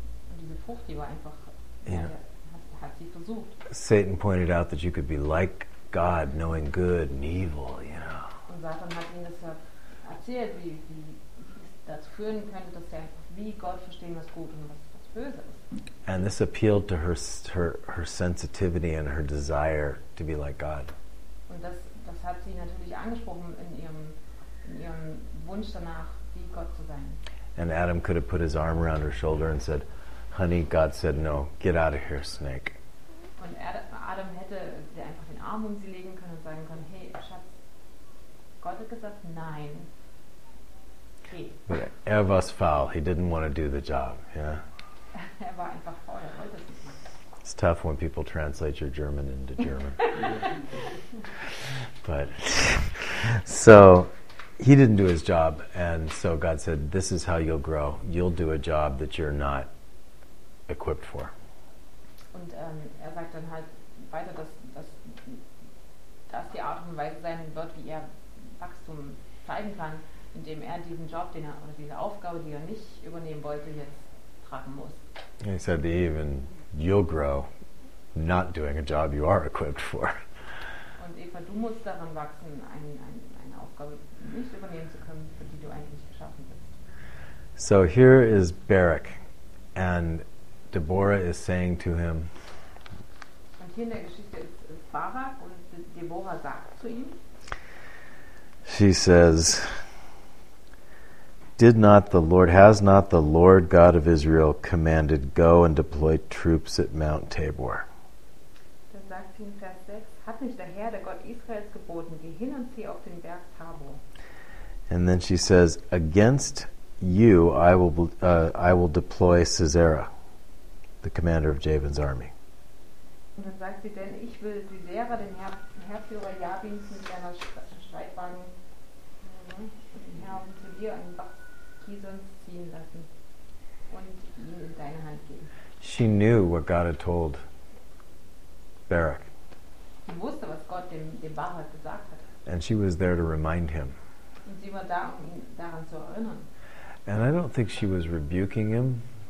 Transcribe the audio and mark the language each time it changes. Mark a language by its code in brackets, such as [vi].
[de] Und diese Frucht, die war einfach, hat sie versucht. [en] Satan pointed out that you could be like God, knowing good and evil, you know. [de] Und Satan hat ihnen das erzählt, wie es dazu führen könnte, dass sie einfach wie Gott verstehen, was gut und was böse ist. [en] And this appealed to her sensitivity and her desire to be like God. [de] Und das hat sie natürlich angesprochen in ihrem Wunsch danach, wie Gott zu sein. [en] And Adam could have put his arm around her shoulder and said, "Honey, God said no. Get out of here, snake." [de] Und Adam hätte sie einfach den Arm um sie legen können und sagen können, "Hey, Schatz, Gott hat gesagt, nein." [en] Okay. [de] But er war faul. [en] He didn't want to do the job. Yeah. [de] Er war einfach faul. Er wollte es nicht machen. [en] It's tough when people translate your German into German. But so he didn't do his job, and so God said, "This is how you'll grow. You'll do a job that you're not equipped for." [de] Und er sagt dann halt weiter, dass die Art und Weise sein wird, wie er Wachstum zeigen kann, indem er diesen Job, den er oder diese Aufgabe, die er nicht übernehmen wollte, jetzt tragen muss. [en] And he said to Eve, and you'll grow not doing a job you are equipped for. [de] Und Eva, du musst daran wachsen, eine Aufgabe nicht übernehmen zu können, für die du eigentlich geschaffen bist. [en] So here is Barak, and Deborah is saying to him. [de] Und hier in der Geschichte ist Barak, und Deborah sagt zu ihm. [en] She says, "Has not the Lord God of Israel commanded, go and deploy troops at Mount Tabor?" [de] Dann sagt sie in Vers 6, "Hat nicht der Herr, der Gott Israels, geboten, geh hin und zieh auf den Berg Tabor?" [en] And then she says, "Against you I will deploy Sisera, the commander of Jabin's army." [de] Und dann sagt sie, "Denn ich will Sisera, den Herrführer Jabins, mit seiner Streitwagen, den Herrn zu dir an den Bach ziehen lassen und ihn in deine Hand geben." [en] She knew what God had told Barak. [de] Sie wusste, was Gott dem Barak gesagt hat. [en] And she was there to remind him. [de] Und sie war da, um ihn daran zu erinnern. [en] And I don't think she was rebuking him.